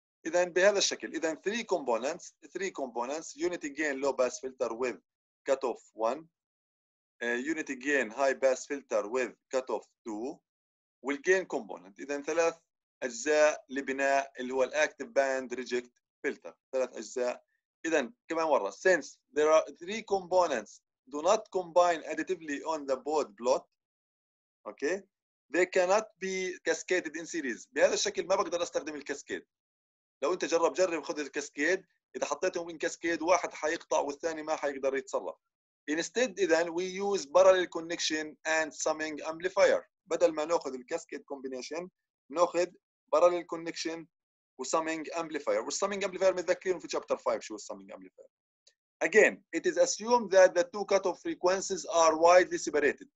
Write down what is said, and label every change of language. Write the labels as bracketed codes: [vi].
[ar] اذا بهذا الشكل، اذا [en] three components unity gain low pass filter with cutoff 1, unity gain high pass filter with cutoff 2 [ar] والجين كومبوننت. اذا ثلاث اجزاء لبناء اللي هو الاكتيف باند ريجكت فلتر، ثلاث اجزاء. اذا كمان مره، [en] since there are three components do not combine additively on the board plot, okay, they cannot be cascaded in series. [ar] بهذا الشكل ما بقدر استخدم الكاسكيد. لو انت جرب خذ الكاسكيد، اذا حطيتهم ان كاسكيد واحد حيقطع والثاني ما حيقدر يتصرف. [en] instead [ar] اذا [en] we use parallel connection and summing amplifier. [ar] بدل ما ناخذ الكاسكيد كومبينيشن ناخذ parallel connection وسامينج امبليفاير. والسامينج امبليفاير متذكرين في chapter 5 شو السامينج امبليفاير. [en] Again, it is assumed that the two cutoff frequencies are widely separated.